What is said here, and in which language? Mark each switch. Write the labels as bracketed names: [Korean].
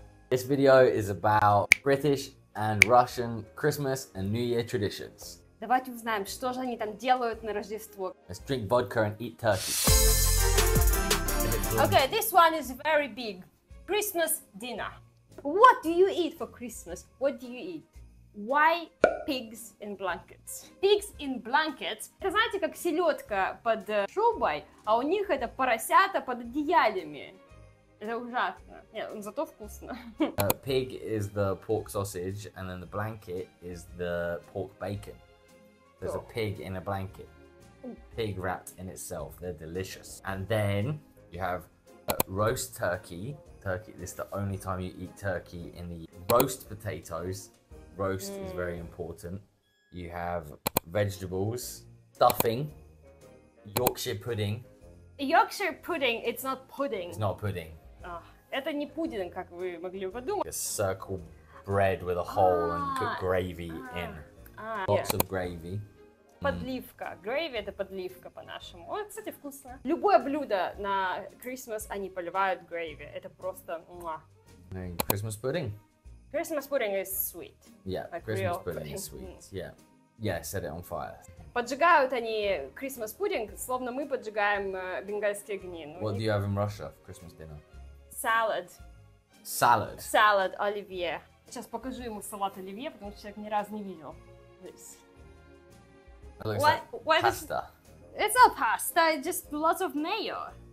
[English] This video is about British and Russian Christmas and New Year traditions. [Russian] Давайте узнаем, что же они там делают на Рождество. [English] Let's drink vodka and eat turkey. Okay, this one is very big. Christmas dinner. What do you eat for Christmas? What do you eat? Why pigs in blankets? Pigs in blankets. [Russian] Это, знаете, как селёдка под шубой, а у них это поросята под одеялами. Это ужасно. Нет, но зато вкусно. [English] Pig is the pork sausage, and then the blanket is the pork bacon. There's a pig in a blanket. Pig wrapped in itself. They're delicious. And then you have roast turkey. Turkey, this is the only time you eat turkey in the year. Roast potatoes. Roast is very important. You have vegetables, stuffing, Yorkshire pudding. Yorkshire pudding, it's not pudding. It's not pudding. [Russian] Это не пудинг, как вы могли подумать. [English] A circle bread with a hole and put gravy in. Lots of gravy. [Russian] Подливка. Gravy – это подливка по-нашему. О, кстати, вкусно. Любое блюдо на Christmas они поливают gravy. Это просто муа. [English] Christmas pudding. Christmas pudding is sweet. Yeah, like Christmas pudding is sweet. Yeah. Yeah, set it on fire. [Russian] Поджигают они Christmas pudding, словно мы поджигаем бенгальские огни. [English] Ну, what do you have in Russia for Christmas dinner? Salad. Salad? Salad, оливье. [Russian] Сейчас покажу ему салат оливье, потому что человек ни разу не видел. [English] It looks like pasta. It's not pasta, it's just lots of mayo.